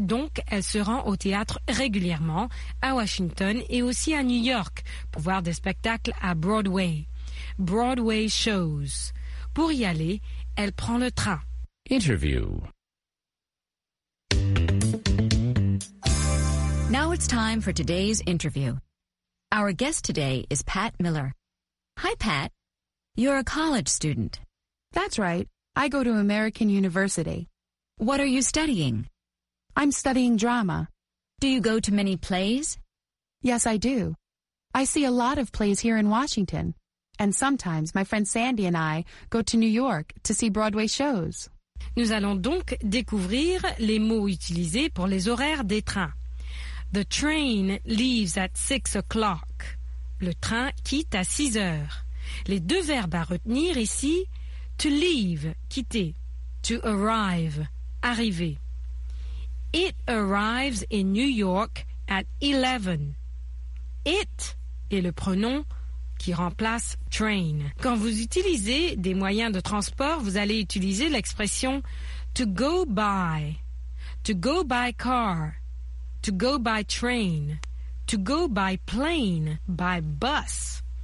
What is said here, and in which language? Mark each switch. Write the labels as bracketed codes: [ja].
[fr] Donc, elle se rend au théâtre régulièrement, à Washington et aussi à New York, pour voir des spectacles à Broadway. Broadway shows. Pour y aller, elle prend le train. [en] Interview. Now it's time for today's interview. Our guest today is Pat Miller. Hi, Pat. You're a college student. That's right. I go to American University. What are you studying? I'm studying drama. Do you go to many plays? Yes, I do. I see a lot of plays here in Washington. And sometimes my friend Sandy and I go to New York to see Broadway shows. [fr] Nous allons donc découvrir les mots utilisés pour les horaires des trains. [en] The train leaves at 6 o'clock. [fr] Le train quitte à 6 heures. Les deux verbes à retenir ici, to leave, quitter, to arrive, arriver. [en] It arrives in New York at 11. [fr] It est le pronom qui remplace train. Quand vous utilisez des moyens de transport, vous allez utiliser l'expression [en] to go by car, to go by train, to go by plane, by bus.